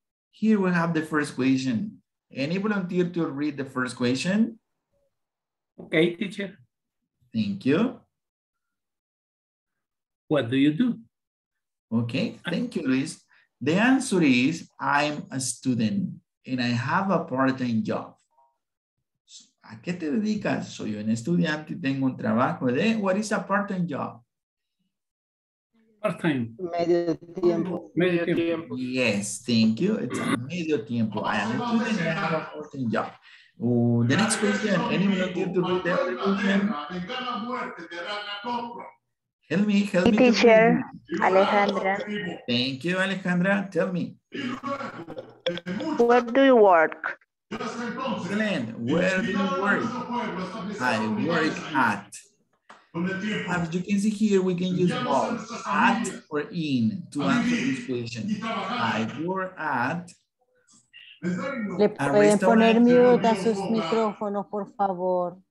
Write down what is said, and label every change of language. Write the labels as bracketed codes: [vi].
[en] Here we have the first question. Any volunteer to read the first question? Okay, teacher. Thank you. What do you do? Okay, thank you, Luis. The answer is I'm a student and I have a part-time job. [es] ¿A qué te dedicas? Soy un estudiante y tengo un trabajo de... [en] What is a part-time job? Part-time. [es] Medio tiempo. [en] Yes, thank you. It's a [es] medio tiempo. [en] I am a student and I have a part-time job. The next question. Anyone want to read the question? Help me. Teacher, Alejandra. Thank you, Alejandra. Tell me. Where do you work? Excellent. Where do you work? I work at. As you can see here, we can use both at or in to answer this question. I work at. [es] Le pueden poner mute a sus micrófonos, por favor.